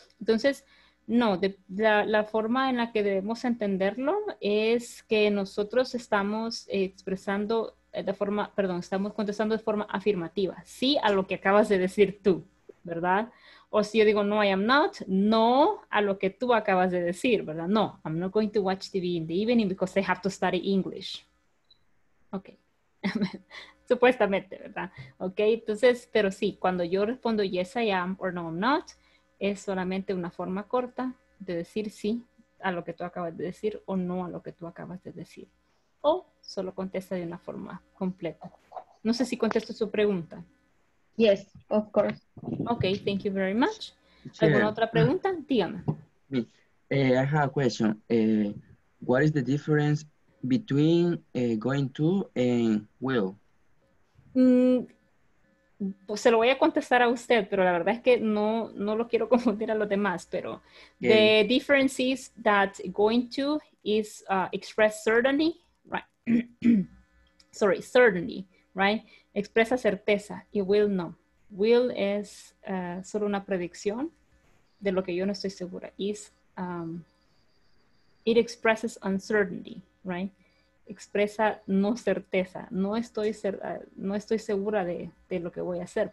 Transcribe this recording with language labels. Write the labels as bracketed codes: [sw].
[es] Entonces, no, la forma en la que debemos entenderlo es que nosotros estamos expresando de forma, perdón, estamos contestando de forma afirmativa. Sí, a lo que acabas de decir tú, ¿verdad? O si yo digo, no, [en] I am not, [es] no a lo que tú acabas de decir, ¿verdad? [en] No, I'm not going to watch TV in the evening because I have to study English. Okay. [es] supuestamente, ¿verdad? Ok, entonces, pero sí, cuando yo respondo [en] yes I am or no I'm not, [es] es solamente una forma corta de decir sí a lo que tú acabas de decir o no a lo que tú acabas de decir. O solo contesta de una forma completa. No sé si contesto su pregunta. [en] Yes, of course. Ok, thank you very much. [es] ¿Alguna otra pregunta? Dígame. [en] I have a question. What is the difference between going to and will? [es] Pues se lo voy a contestar a usted, pero la verdad es que no lo quiero confundir a los demás, pero okay. [en] The difference is that going to is expressed certainly, right? Sorry, certainly, right? [es] Expresa certeza y will no. Will es solo una predicción de lo que yo no estoy segura. [en] Is it expresses uncertainty, right? [es] Expresa no certeza. No estoy segura de lo que voy a hacer.